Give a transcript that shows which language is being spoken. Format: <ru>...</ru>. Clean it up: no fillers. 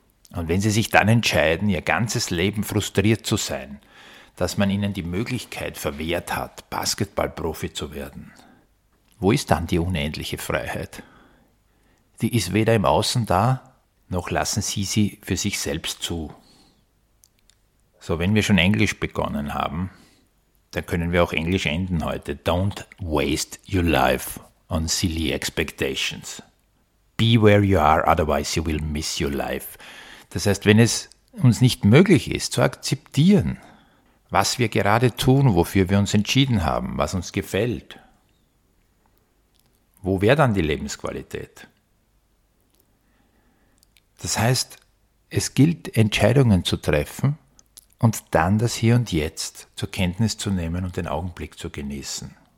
<de>Und wenn Sie sich dann entscheiden, Ihr ganzes Leben frustriert zu sein, dass man ihnen die Möglichkeit verwehrt hat, Basketballprofi zu werden. Wo ist dann die unendliche Freiheit? Die ist weder im Außen da, noch lassen sie sie für sich selbst zu. So, wenn wir schon Englisch begonnen haben, dann können wir auch Englisch enden heute.</de> <en>Don't waste your life on silly expectations. Be where you are, otherwise you will miss your life.</en> <de>Das heißt, wenn es uns nicht möglich ist, zu akzeptieren, was wir gerade tun, wofür wir uns entschieden haben, was uns gefällt. Wo wäre dann die Lebensqualität? Das heißt, es gilt, Entscheidungen zu treffen und dann das Hier und Jetzt zur Kenntnis zu nehmen und den Augenblick zu genießen.</de>